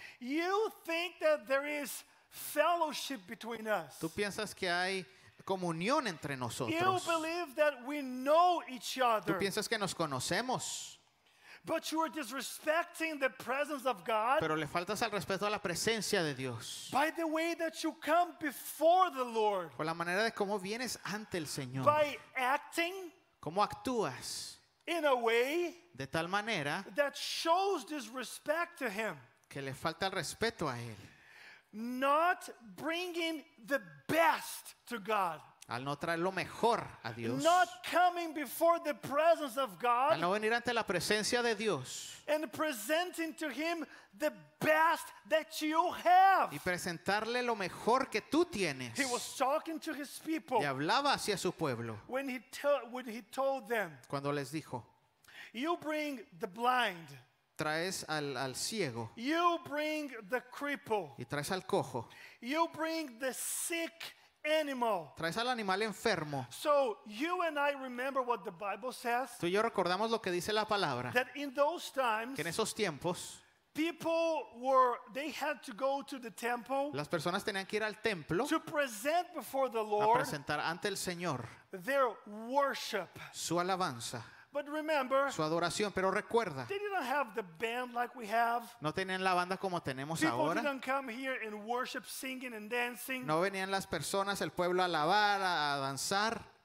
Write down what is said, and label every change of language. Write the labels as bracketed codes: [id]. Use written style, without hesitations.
[en] You think that there is fellowship between us. [es] Tú piensas que hay comunión entre nosotros. [en] You believe that we know each other. [es] Tú piensas que nos conocemos. [en] But you are disrespecting the presence of God. [es] Pero le faltas al respeto a la presencia de Dios. [en] By the way that you come before the Lord. [es] Por la manera de cómo vienes ante el Señor. [en] By acting. [es] Cómo actúas. [en] In a way [es] de tal manera [en] that shows disrespect to him, [es] que le falta el respeto a él, [en] not bringing the best to God, [es] al no traer lo mejor a Dios, [en] not coming before the presence of God, [es] al no venir ante la presencia de Dios, [en] and presenting to him the best that you have, [es] y presentarle lo mejor que tú tienes. [en] He was talking to his people, [es] y hablaba hacia su pueblo, [en] when he told them, [es] cuando les dijo, [en] you bring the blind, [es] traes al ciego, [en] you bring the cripple, [es] y traes al cojo, [en] you bring the sick animal, [es] traes al animal enfermo. [en] So you and I remember what the Bible says, [es] tú y yo recordamos lo que dice la palabra, [en] that in those times, [es] que en esos tiempos, [en] people were, they had to go to the temple, [es] las personas tenían que ir al templo, [en] to present before the Lord, [es] a presentar ante el Señor, [en] their worship, [es] su alabanza. [en] But remember, [es] su adoración, pero recuerda, [en] they didn't have the band like we have. [es] No tenían la banda como tenemos [en] people [es] ahora. [en] Didn't come here and worship, singing and dancing. [es] No venían las personas, el pueblo a alabar, a danzar.